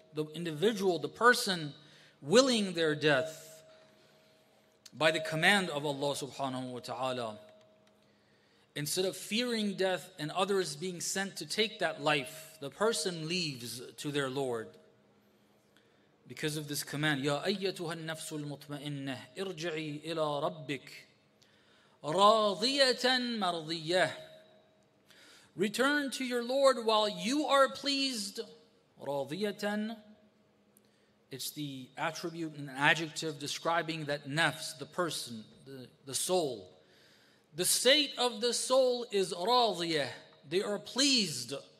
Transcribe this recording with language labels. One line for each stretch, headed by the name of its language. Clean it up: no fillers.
English: The individual, the person, willing their death by the command of Allah subhanahu wa ta'ala. Instead of fearing death and others being sent to take that life, the person leaves to their Lord. Because of this command,
Arabic: يَا أَيَّتُهَا النَّفْسُ الْمُطْمَئِنَّةِ اِرْجِعِي إِلَىٰ رَبِّكِ رَاضِيَةً مَرْضِيَّةً.
English: Return to your Lord while you are pleased. رَاضِيَةً, it's the attribute and adjective describing that nafs, the person, the soul. The state of the soul is رَاضِيَةً, they are pleased.